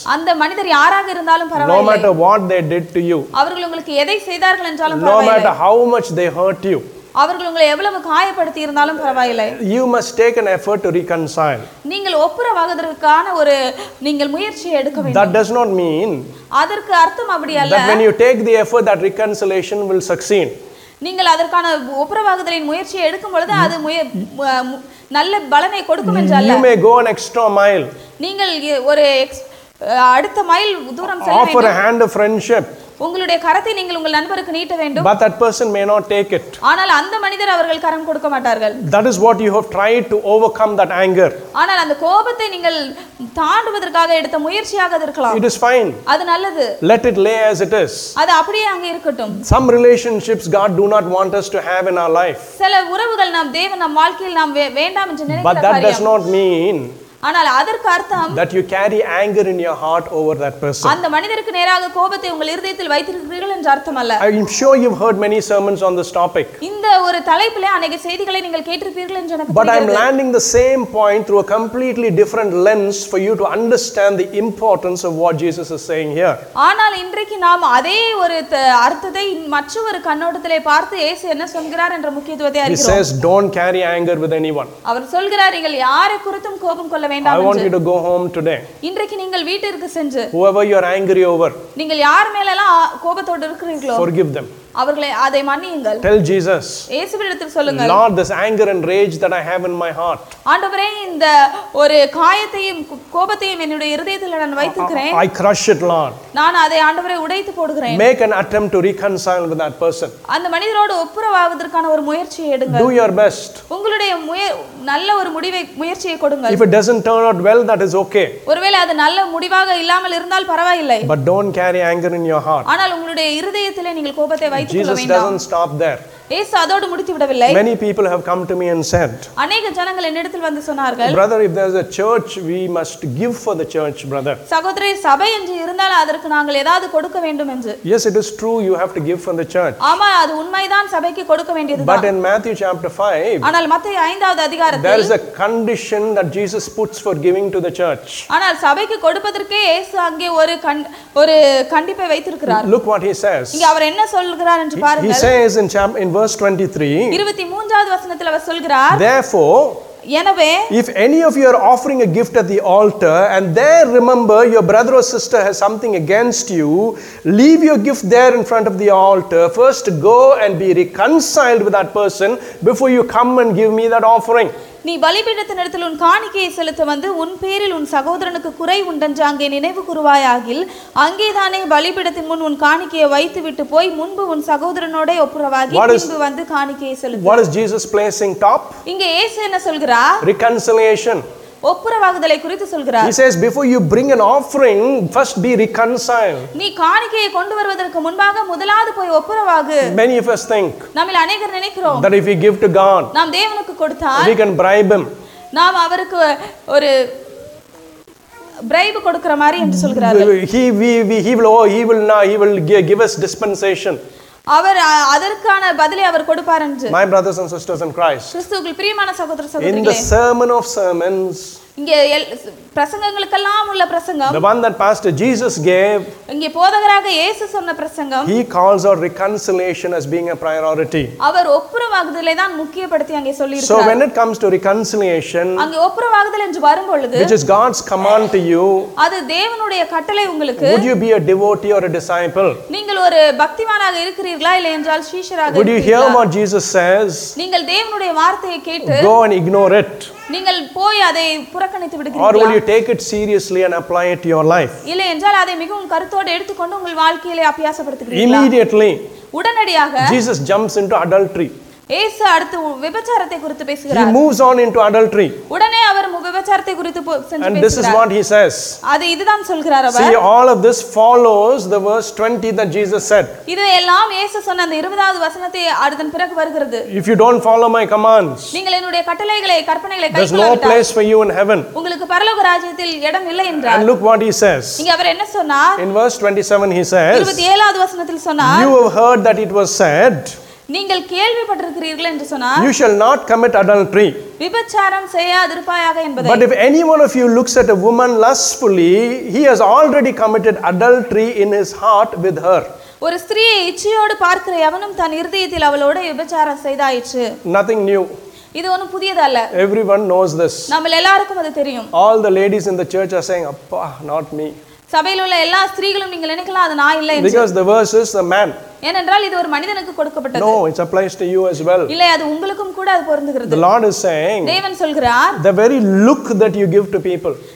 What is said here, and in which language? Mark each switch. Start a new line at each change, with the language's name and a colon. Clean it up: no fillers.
Tamil: அந்த மனிதர் யாராக இருந்தாலும் பரவாயில்லை.
English: No matter what they did to you,
Tamil: அவர்கள் உங்களுக்கு எதை செய்தார்கள் என்றாலும் பரவாயில்லை.
English: No matter how much they hurt you,
Tamil: அவர்கள் உங்களை எவ்வளவு காயப்படுத்தி இருந்தாலும் பரவாயில்லை.
English: You must take an effort to reconcile.
Tamil: நீங்கள் ஒப்புரவாகிறதுக்கான ஒரு நீங்கள் முயற்சியை எடுக்க வேண்டும்.
English: That does not mean,
Tamil: அதற்கு அர்த்தம் அப்படி அல்ல.
English: That when you take the effort, that reconciliation will succeed.
Tamil: நீங்கள் அதற்கான ஒப்புரவாகுதலின் முயற்சியை எடுக்கும் பொழுது அது நல்ல பலனை கொடுக்கும் என்றால்,
English: you may go an extra mile.
Tamil: நீங்கள் ஒரு அடுத்த மைல் தூரம் செல்ல வேண்டும்.
English: Offer a hand of friendship.
Tamil: உங்களுடைய கரத்தை நீங்கள் உங்கள் நண்பருக்கு நீட்ட வேண்டும்.
English: But that person may not take it.
Tamil: ஆனால் அந்த மனிதர் அவர்கள் கரம் கொடுக்க மாட்டார்கள்.
English: That is what you have tried to overcome that anger.
Tamil: ஆனால் அந்த கோபத்தை நீங்கள் தாண்டுவதற்காக எடுத்த முயற்சியாக இருக்கலாம்.
English: It is fine.
Tamil: அது நல்லது.
English: Let it lay as it is.
Tamil: அது அப்படியே அங்கே இருக்கட்டும்.
English: Some relationships God do not want us to have in our life.
Tamil: சில உறவுகள் நாம் தேவன் நம் வாழ்க்கையில் நாம் வேண்டாம் என்று நினைக்கிற காரியம்.
English: But that does not mean,
Tamil: ஆனால் அதற்கு அர்த்தம்,
English: that you carry anger in your heart over that person.
Tamil: அந்த மனிதருக்கு நேராக கோபத்தை உங்கள் இதயத்தில் வைத்திருக்கிறீர்கள் என்ற அர்த்தம் அல்ல.
English: I'm sure you've heard many sermons on this topic.
Tamil: இந்த ஒரு தலைப்பிலே அநேக செய்திகளை நீங்கள் கேட்டிருப்பீர்கள் என்று எனக்கு தெரியும்.
English: But I'm landing the same point through a completely different lens for you to understand the importance of what Jesus is saying here.
Tamil: ஆனால் இன்றைக்கு நாம் அதே ஒரு அர்த்தத்தை மற்ற ஒரு கண்ணோட்டத்திலே பார்த்து இயேசு என்ன சொல்கிறார் என்ற முக்கியத்துவத்தை அறிகிறோம்.
English: He says don't carry anger with anyone.
Tamil: அவர் சொல்கிறார், நீங்கள் யாரை குறித்தும் கோபம்
English: I want you to go home today.
Tamil: இன்றைக்கு நீங்கள் வீட்டிற்கு சென்று,
English: whoever you are angry over,
Tamil: நீங்கள் யார் மேலெல்லாம் கோபத்தோடு இருக்கிறீர்களோ,
English: forgive them.
Tamil: அவர்களை அதை மன்னியுங்கள்.
English: Tell Jesus.
Tamil: இயேசுவிடத்தில் சொல்லுங்கள்.
English: Lord, this anger and rage that I have in my heart.
Tamil: ஆண்டவரே, இந்த ஒரு காயத்தையும் கோபத்தையும் என்னுடைய இதயத்தில் நான் வைத்திருக்கிறேன்.
English: I crush it, Lord.
Tamil: நான் அதை ஆண்டவரே உடைத்து போடுகிறேன்.
English: Make an attempt to reconcile with that person.
Tamil: அந்த மனிதரோடு ஒப்புரவாவதற்கான ஒரு முயற்சியை எடுங்கள்.
English: Do your best.
Tamil: உங்களுடைய நல்ல ஒரு முடிவை முயற்சியை கொடுங்கள்.
English: If it doesn't turn out well, that is okay.
Tamil: ஒருவேளை அது நல்ல முடிவாக இல்லாமல் இருந்தால் பரவாயில்லை.
English: But don't carry anger in your heart.
Tamil: ஆனால் உங்களுடைய இதயத்தில் நீங்கள் கோபத்தை
English: Jesus doesn't stop there.
Tamil: ஏ சாதோடு முடித்து விடவில்லை.
English: Many people have come to me and said,
Tamil: அநேக ஜனங்கள் என்னிடத்தில் வந்து சொன்னார்கள்,
English: brother, if there's a church, we must give for the church, brother.
Tamil: சகோதரே, சபை என்று இருந்தால் அதற்கு நாங்கள் ஏதாவது கொடுக்க வேண்டும் என்று.
English: Yes, it is true, you have to give for the church.
Tamil: ஆமா, அது உண்மைதான், சபைக்கு கொடுக்க வேண்டியதுதான்.
English: But in Matthew chapter 5,
Tamil: ஆனால் மத்தேயு 5வது அதிகாரத்தில்,
English: there is a condition that Jesus puts for giving to the church.
Tamil: ஆனால் சபைக்கு கொடுப்பதற்கே இயேசு அங்கே ஒரு கண்டிப்பை வைத்திருக்கிறார்.
English: Look what he says.
Tamil: இங்க அவர் என்ன சொல்றார்,
English: He says in verse 23,
Tamil: 23rd vasanathil avar solgirar,
English: therefore, if any of you are offering a gift at the altar and there remember your brother or sister has something against you, leave your gift there in front of the altar. First go and be reconciled with that person before you come and give me that offering.
Tamil: நீ பலிபீடத்தின் இடத்தில் உன் காணிக்கையை செலுத்த வந்து உன் பேரில் உன் சகோதரனுக்கு குறை உண்டென்று அங்கே நினைவு கூறுவாயாகில், அங்கேதானே பலிபீடத்தின் முன் உன் காணிக்கையை வைத்து விட்டு போய் முன்பு உன் சகோதரனோட ஒப்புரவாகி பின்பு வந்து காணிக்கையை செலுத்து.
English: What is Jesus placing top?
Tamil: இங்கே இயேசு என்ன சொல்கிறார்?
English: Reconciliation.
Tamil: ஒப்புரவாகுதலை குறித்து சொல்கிறார்.
English: He says before you bring an offering, first be reconciled.
Tamil: நீ காணிக்கையை கொண்டு வருவதற்கு முன்பாக முதலாவது போய் ஒப்புரவாகு.
English: Many of us think,
Tamil: நம்மில் அநேகர் நினைக்கிறோம்,
English: that if we give to God,
Tamil: நாம் தேவனுக்கு கொடுத்தால்,
English: we can bribe him.
Tamil: நாம் அவருக்கு ஒரு bribe கொடுக்கிற மாதிரி என்று சொல்கிறார்கள்.
English: He will give us dispensation.
Tamil: அவர் அதற்கான பதிலை அவர் கொடுப்பார் என்று.
English: My brothers and sisters in Christ,
Tamil: கிறிஸ்துவுக்குள் பிரியமான சகோதர சகோதரிகளே,
English: in the sermon of sermons,
Tamil: இங்கே பிரசங்கங்களுக்கெல்லாம் உள்ள பிரசங்கம்,
English: the one that Pastor Jesus gave,
Tamil: இங்கே போதகராக இயேசு சொன்ன பிரசங்கம்,
English: he calls out reconciliation as being a priority.
Tamil: அவர் ஒப்புரவாகுதலை தான் முக்கியப்படுத்தி அங்கே சொல்லியிருக்கார்.
English: So when it comes to reconciliation,
Tamil: அங்கே ஒப்புரவாகுதல் என்று வரும்பொழுது,
English: which is God's command to you,
Tamil: அது தேவனுடைய கட்டளை உங்களுக்கு,
English: would you be a devotee or a disciple?
Tamil: நீங்கள் ஒரு பக்திமானாக இருக்கிறீர்களா இல்லை என்றால் சீஷராக,
English: would you hear what Jesus says?
Tamil: நீங்கள் தேவனுடைய வார்த்தையை கேட்டு,
English: go and ignore it.
Tamil: நீங்கள் போய் அதை புறக்கணித்து விடுகிறீர்களா?
English: Or will you take it seriously and apply it to your life?
Tamil: இல்லை என்றால் அதை மிகவும் கருத்தோடு எடுத்துக்கொண்டு உங்கள் வாழ்க்கையிலே அபியாசப்படுத்துகிறீர்களா?
English: Immediately,
Tamil: உடனடியாக,
English: Jesus jumps into adultery.
Tamil: ஏசு அடுத்து விபச்சாரத்தை குறித்து பேசுகிறார்.
English: He moves on into adultery.
Tamil: உடனே அவர் விபச்சாரத்தை குறித்து சென்று பேசுகிறார்.
English: And this is what he says.
Tamil: அது இதுதான் சொல்கிறார் அவர்.
English: See, all of this follows the verse 20 that Jesus said.
Tamil: இதெல்லாம் ஏசு சொன்ன அந்த 20வது வசனத்தை அடுத்தன் பிறகு வருகிறது.
English: If you don't follow my commands.
Tamil: நீங்கள் என்னுடைய கட்டளைகளை கற்பனைகளை கைக்கொள்ளாவிட்டால்
English: There's no place for you in heaven.
Tamil: உங்களுக்கு பரலோக ராஜ்யத்தில் இடம் இல்லை என்றார்.
English: And look what he says.
Tamil: இங்க அவர் என்ன சொன்னார்?
English: In verse 27 he says.
Tamil: 27வது வசனத்தில் சொன்னார்.
English: You have heard that it was said.
Tamil: நீங்கள் கேள்விப்பட்டிருக்கிறீர்கள் என்று சொன்னார்.
English: You shall not commit adultery.
Tamil: விபச்சாரம் செய்யாதிருப்பாயாக என்பதை.
English: But if any one of you looks at a woman lustfully, he has already committed adultery in his heart with her.
Tamil: ஒரு ஸ்திரீயை இச்சையோடு பார்க்கிற எவனும் தன் இருதயத்தில் அவளோடு விபச்சாரம் செய்தாயிற்று.
English: Nothing new.
Tamil: இது ஒன்னு புதியதல்ல.
English: Everyone knows this.
Tamil: நம்ம எல்லாருக்கும் அது தெரியும்.
English: All the ladies in the church are saying,
Tamil: "அப்பா,
English: not me."
Tamil: சபையில் உள்ள எல்லா ஸ்திரீகளும் நீங்கள் நினைக்கலாம் அது நான் இல்லை என்று.
English: Because the verse is a man.
Tamil: ஏனென்றால் இது ஒரு மனிதனுக்கு கொடுக்கப்பட்டது.
English: No, it applies to you as well.
Tamil: இல்லை அது உங்களுக்கும் கூட அது பொருந்துகிறது.
English: The Lord is saying.
Tamil: தேவன் சொல்கிறார்.
English: The very look that you give to people.